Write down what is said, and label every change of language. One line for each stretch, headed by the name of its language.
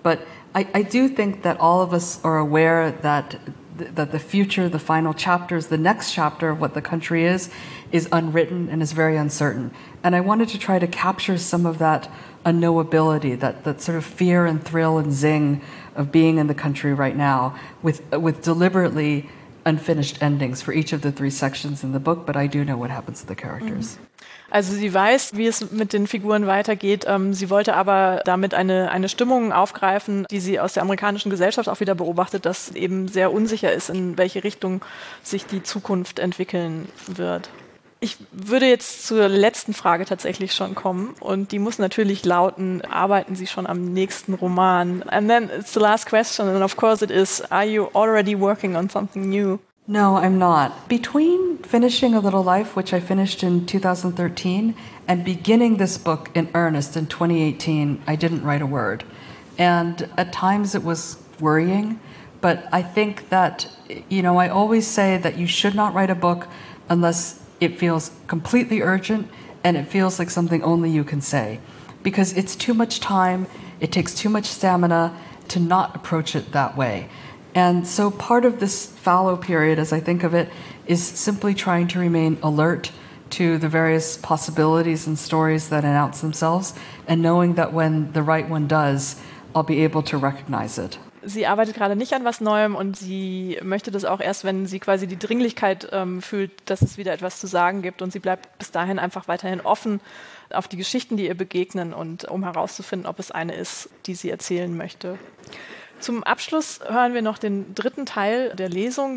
English: But I do think that all of us are aware that that the future, the final chapters, the next chapter of what the country is unwritten and is very uncertain. And I wanted to try to capture some of that unknowability, that sort of fear and thrill and zing of being in the country right now with deliberately unfinished endings for each of the three sections in the book, but I do know what happens to the characters. Mm-hmm.
German: Also sie weiß, wie es mit den Figuren weitergeht. Sie wollte aber damit eine Stimmung aufgreifen, die sie aus der amerikanischen Gesellschaft auch wieder beobachtet, dass eben sehr unsicher ist, in welche Richtung sich die Zukunft entwickeln wird. Ich würde jetzt zur letzten Frage tatsächlich schon kommen, und die muss natürlich lauten, arbeiten Sie schon am nächsten Roman?
English: And then it's the last question, and of course it is, are you already working on something new? No, I'm not. Between finishing A Little Life, which I finished in 2013, and beginning this book in earnest in 2018, I didn't write a word. And at times it was worrying, but I think that, you know, I always say that you should not write a book unless it feels completely urgent, and it feels like something only you can say. Because it's too much time, it takes too much stamina to not approach it that way. And so part of this fallow period, as I think of it, is simply trying to remain alert to the various possibilities and stories that announce themselves, and knowing that when the right one does, I'll be able to recognize it.
German: Sie arbeitet gerade nicht an was Neuem, und sie möchte das auch erst, wenn sie quasi die Dringlichkeit fühlt, dass es wieder etwas zu sagen gibt. Und sie bleibt bis dahin einfach weiterhin offen auf die Geschichten, die ihr begegnen, und um herauszufinden, ob es eine ist, die sie erzählen möchte. Zum Abschluss hören wir noch den dritten Teil der Lesung.